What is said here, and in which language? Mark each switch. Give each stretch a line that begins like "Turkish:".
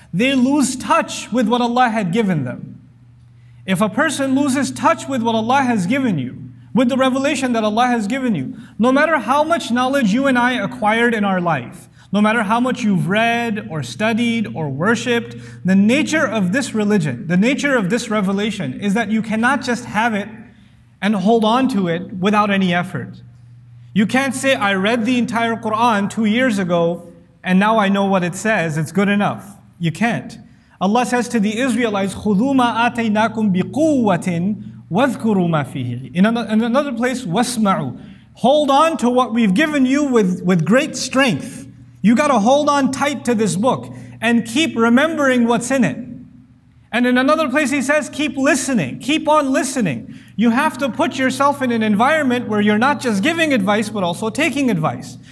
English: They lose touch with what Allah had given them. If a person loses touch with what Allah has given you, with the revelation that Allah has given you, no matter how much knowledge you and I acquired in our life, no matter how much you've read or studied or worshipped, the nature of this religion, the nature of this revelation is that you cannot just have it and hold on to it without any effort. You can't say, I read the entire Qur'an 2 years ago, and now I know what it says, it's good enough. You can't. Allah says to the Israelites,
Arabic: خُذُوا مَا آتَيْنَاكُمْ بِقُوَّةٍ وَاذْكُرُوا مَا فِيهِ.
English: In another place, wasma'u. Hold on to what we've given you with great strength. You gotta hold on tight to this book, and keep remembering what's in it. And in another place he says, keep listening, keep on listening. You have to put yourself in an environment where you're not just giving advice, but also taking advice.